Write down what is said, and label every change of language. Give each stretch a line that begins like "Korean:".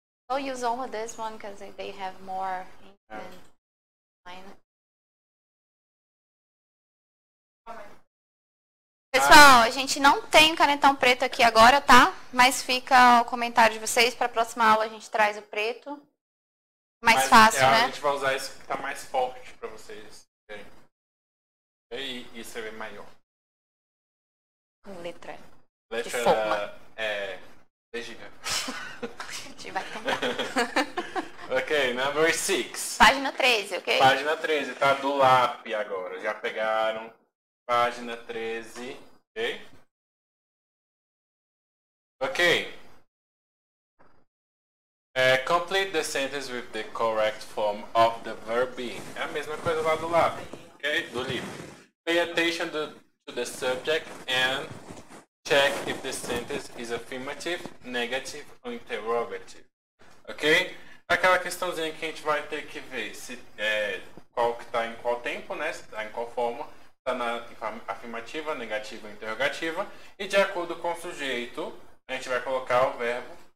English: I'll use only this one because they have more ink than mine.
Portuguese: Pessoal, a gente não tem canetão preto aqui agora, tá? Mas fica o comentário de vocês. Para a próxima aula a gente traz o preto. Mais fácil, né? A gente vai usar isso que tá mais forte para vocês verem. E você vê maior. Letra. Letra é gigante. A gente vai tomar.
English: Ok, number 6.
Portuguese: Página 13, ok? Página 13, tá do lápis agora. Já pegaram. Página 13.
English: Okay. Complete the sentence with the correct form of the verb be.
Portuguese: É a mesma coisa lá do lado.
English: Okay?
Portuguese: Do livro.
English: Pay attention to the subject and check if the sentence is affirmative, negative or interrogative. Okay?
Portuguese: Aquela questãozinha que a gente vai ter que ver se qual que está em qual tempo, né? Se está em qual forma. Na afirmativa, negativa, interrogativa, e de acordo com o sujeito a gente vai colocar o verbo.